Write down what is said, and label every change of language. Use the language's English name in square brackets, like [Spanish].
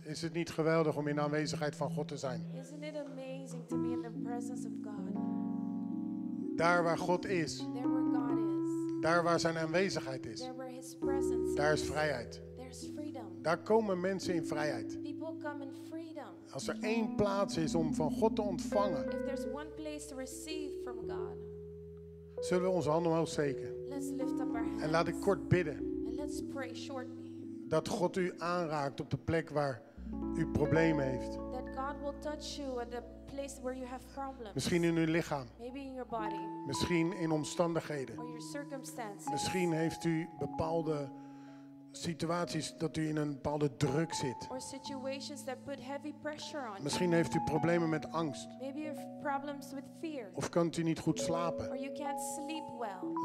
[Dutch] Is het niet geweldig om in de aanwezigheid van God te zijn? [English] Isn't it amazing to be in the presence of God? [Dutch] Daar waar God is. [English] There where God is. [Dutch] Daar waar zijn aanwezigheid is. [English] There where his presence [Dutch] daar is vrijheid. [English] There's freedom. [Dutch] Daar komen mensen in vrijheid. [English] People come in freedom. [Dutch] Als er één plaats is om van God te ontvangen. [English] If there's one place to receive from God. [Dutch] Zullen we onze handen omhoog steken? [English] Let's lift up our hands. [Dutch] En laat ik kort bidden. [English] And let's pray shortly. [Dutch] Dat God u aanraakt op de plek waar u problemen heeft. [English] That God will touch you at the place where you have problems. [Dutch] Misschien in uw lichaam. [English] Maybe in your body. [Dutch] Misschien in omstandigheden. [English] Or your circumstances. [Dutch] Misschien heeft u bepaalde situaties dat u in een bepaalde druk zit. [English] Or situations that put heavy pressure on. [Dutch] Misschien heeft u problemen met angst. [English] Maybe you have problems with fear. [Dutch] Of kunt u niet goed slapen. [English] Or you can't sleep well.